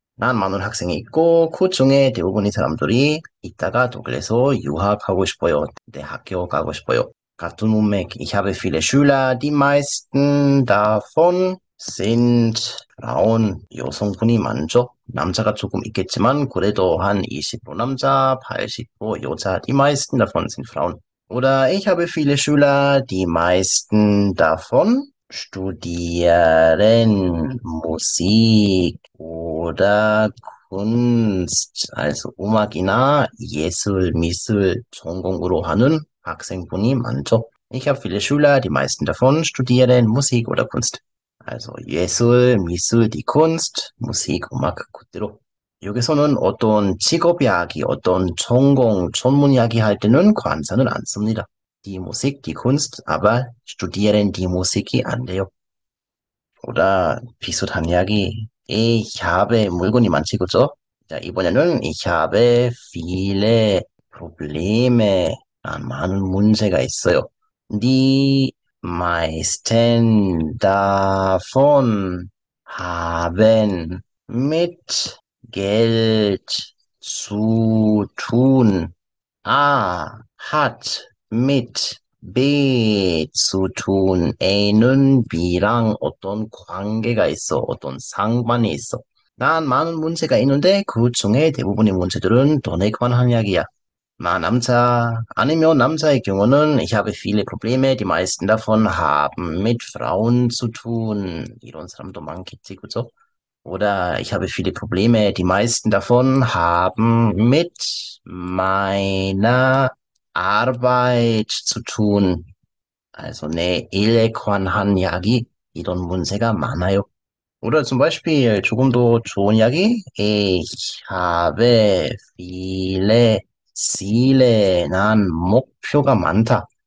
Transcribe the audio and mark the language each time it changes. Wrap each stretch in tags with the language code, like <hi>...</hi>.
<ko>난 많은 학생이 있고, 그 중에 대부분의 사람들이, 이따가 독일에서 유학하고 싶어요. 대학교 가고 싶어요. 같은 문맥,</ko> <de>ich habe viele Schüler, die meisten davon sind</de> <ko>라온 여성분이 많죠. 남자가 조금 있겠지만 그래도 한20% 남자, 80% 여자.</ko> <de>Die meisten davon sind Frauen. Oder ich habe viele Schüler. Die meisten davon studieren Musik oder Kunst.</de> <ko>Also 음악이나 예술, 미술 전공으로 하는 학생분이 많죠.</ko> <de>Ich habe viele Schüler. Die meisten davon studieren Musik oder Kunst.</de> <ko>Also 예술, 미술, die Kunst, Musik, 음악, 그대로. 여기서는 어떤 직업 이야기, 어떤 전공, 전문 이야기 할 때는 관사는 안 씁니다.</ko> <de>Die Musik, die Kunst, aber studieren die Musik</de> <ko>이 안 돼요. 어라, 비슷한 이야기.</ko> <de>Ich habe</de> <ko>물건이 많지, 그죠? 자, 이번에는</ko> <de>ich habe viele Probleme.</de> <ko>난 많은 문제가 있어요.</ko> <de>Die meisten davon haben mit Geld zu tun. A hat mit B zu tun.</de> <ko>A는 B랑 어떤 관계가 있어, 어떤 상관이 있어. 난 많은 문제가 있는데 그 중에 대부분의 문제들은 돈에 관한 이야기야. 나 남자, 아니면 남자의 경우는,</ko> <de>ich habe viele Probleme, die meisten davon haben mit Frauen zu tun.</de> <ko>이런 사람도 많겠지, 그죠?</ko> <de>Oder, ich habe viele Probleme, die meisten davon haben mit meiner Arbeit zu tun.</de> <ko>Also, 내 일에 관한 이야기, 이런 문제가 많아요.</ko> <de>Oder zum Beispiel,</de> <ko>조금 더 좋은 이야기,</ko> <de>ich habe viele Ziele,</de> <ko>난 목표가 많다.</ko>